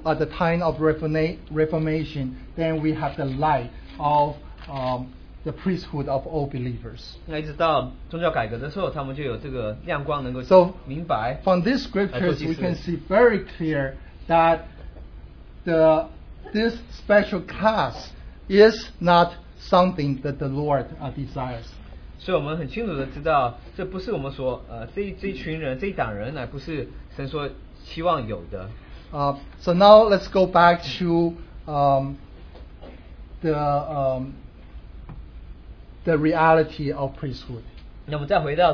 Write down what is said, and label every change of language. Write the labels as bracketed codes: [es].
[en] the time of Reformation, then we have the light of the priesthood of all believers. [zh] 那一直到宗教改革的时候，他们就有这个亮光能够 明白。 [en] So from this scripture, we can see very clear that this special class is not something that the Lord desires. [zh] 所以我们很清楚地知道，这不是我们所这一群人这一党人，乃不是神所期望有的。 [en] So now let's go back to the reality of priesthood.